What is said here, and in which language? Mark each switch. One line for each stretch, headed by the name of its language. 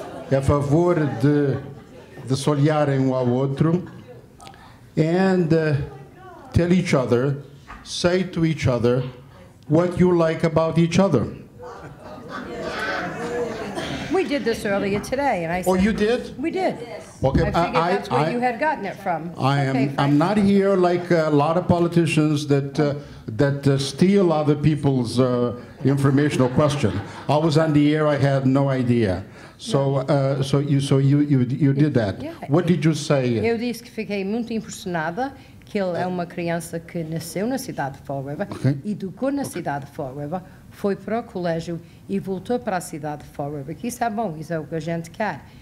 Portuguese: A favor de se olharem um ao outro.
English: And tell each other, say to each other, what you like about each other. We we did this earlier today, and I said. Oh, you did? We did. Yes. Okay, I figured that's where you had gotten it from. I'm not here like a lot of politicians that steal other people's information or question. I was on the air. I had no idea. So you did that. Yeah. What did you say?
Portuguese: Eu disse que fiquei muito impressionada que ele é uma criança que nasceu na cidade de Fall River, okay. Educou na cidade de Fall River, foi para o colégio e voltou para a cidade de Fall River. Que isso é bom, isso é o que a gente quer.